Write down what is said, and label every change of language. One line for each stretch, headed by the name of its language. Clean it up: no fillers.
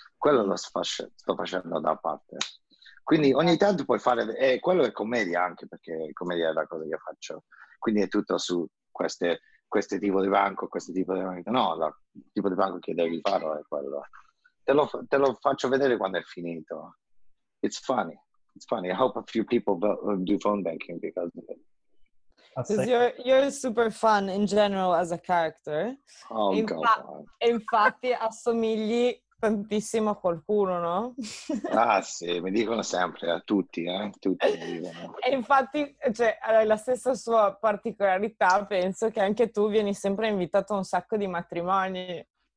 Italian: Quello lo sto facendo da parte. Quindi ogni tanto puoi fare, e quello è commedia anche, perché commedia è la cosa che faccio. Quindi è tutto su queste tipo di banco, questo tipo di banco. No, il tipo di banco che devi fare è quello. Te lo faccio vedere quando è finito.
English: It's funny. It's funny. I hope a few people do phone banking because of it. You're super fun in general as a character. Oh,
Italian: infatti assomigli tantissimo a qualcuno, no? Ah sì, mi dicono sempre, a tutti, tutti mi dicono. E infatti, cioè, hai la stessa sua particolarità, penso che anche tu vieni sempre invitato a un sacco di matrimoni.